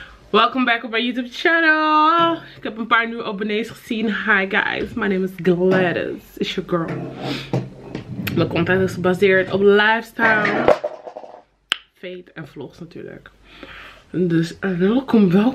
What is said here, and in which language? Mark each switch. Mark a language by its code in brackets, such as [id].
[en] Welcome back [nl] op mijn YouTube channel. Ik heb een paar nieuwe abonnees gezien. [en] Hi guys, my name is Gladys. It's your girl. [nl] Mijn content is gebaseerd op lifestyle, fate en vlogs natuurlijk. Dus welkom.